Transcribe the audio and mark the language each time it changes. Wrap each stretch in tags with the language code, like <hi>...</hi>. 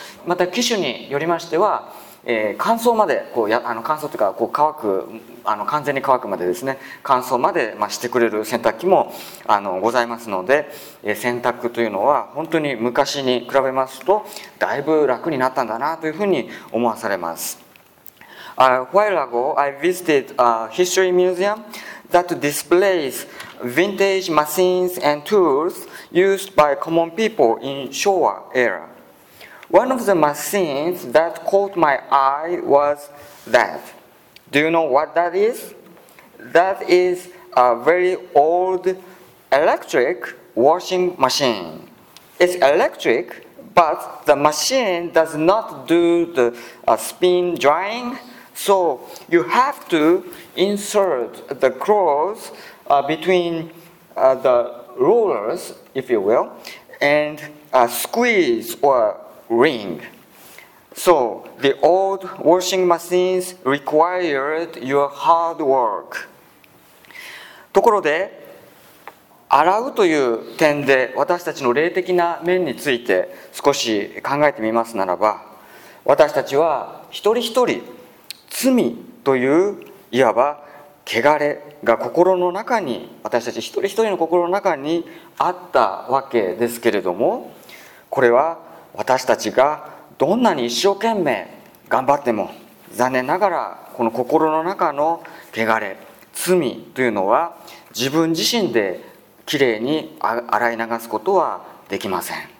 <ja>また機種によりましては、乾燥までこうや乾燥というかこう乾く完全に乾くまでですね乾燥までしてくれる洗濯機もございますので、洗濯というのは本当に昔に比べますとだいぶ楽になったんだなというふうに思わされます。</ja> <en>While ago, I visited a history museum that displays vintage machines and tools used by common people in Showa era. One of the machines that caught my eye was that. Do you know what that is? That is a very old electric washing machine. It's electric, But the machine does not do the spin drying. So you have to insert the claws between the rollers, if you will, and squeeze or wring. So the old washing machines required your hard work.</en> <ja>ところで、洗うという点で私たちの霊的な面について少し考えてみますならば、私たちは一人一人罪といういわば汚れが心の中に、私たち一人一人の心の中にあったわけですけれども、これは私たちがどんなに一生懸命頑張っても、残念ながらこの心の中の汚れ、罪というのは自分自身できれいに洗い流すことはできません。</ja>